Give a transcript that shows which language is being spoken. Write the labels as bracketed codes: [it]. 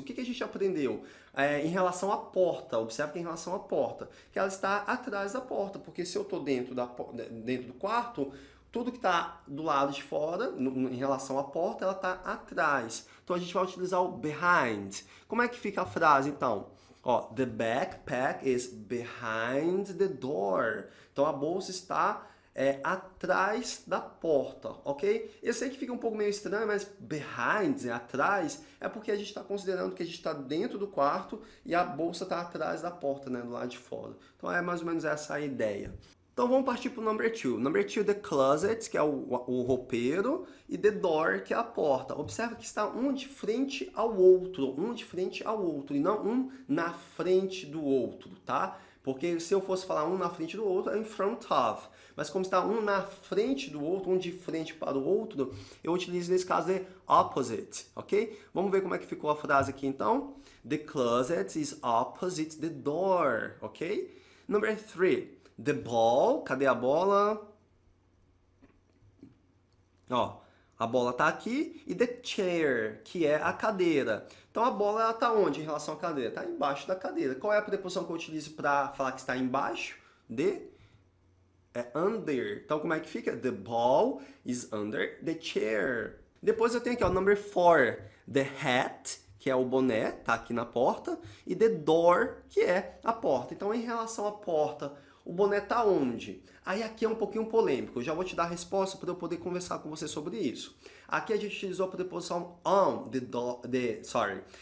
[pt] O que que a gente aprendeu? Em relação à porta, observa que em relação à porta, que ela está atrás da porta, porque se eu estou dentro do quarto, tudo que está do lado de fora, em relação à porta, ela está atrás. Então a gente vai utilizar o behind. Como é que fica a frase então? [en] Ó, the backpack is behind the door. [pt] Então a bolsa está atrás da porta, ok? Eu sei que fica um pouco meio estranho, mas behind, atrás, é porque a gente está considerando que a gente está dentro do quarto e a bolsa está atrás da porta, né, do lado de fora. Então é mais ou menos essa a ideia. Então vamos partir para o [en] number two. Number two, the closet, [pt] que é o roupeiro, e [en] the door, [pt] que é a porta. Observa que está um de frente ao outro, um de frente ao outro, e não um na frente do outro, tá? Porque se eu fosse falar um na frente do outro, é [en] em front of. [pt] Mas como está um na frente do outro, um de frente para o outro, eu utilizo nesse caso é opposite, ok? Vamos ver como é que ficou a frase aqui então. [en] The closet is opposite the door, ok? Number three, the ball, [pt] cadê a bola? Ó, a bola está aqui. E [en] the chair, [pt] que é a cadeira. Então a bola ela está onde em relação à cadeira? Está embaixo da cadeira. Qual é a preposição que eu utilizo para falar que está embaixo? De? É under. Então como é que fica? [en] The ball is under the chair. [pt] Depois eu tenho aqui, ó, [en] number four, the hat, [pt] que é o boné, tá aqui na porta, e [en] the door, [pt] que é a porta. Então em relação à porta, o boné tá onde? Aí aqui é um pouquinho polêmico. Eu já vou te dar a resposta para eu poder conversar com você sobre isso. Aqui a gente utilizou a preposição [en] on the door, sorry.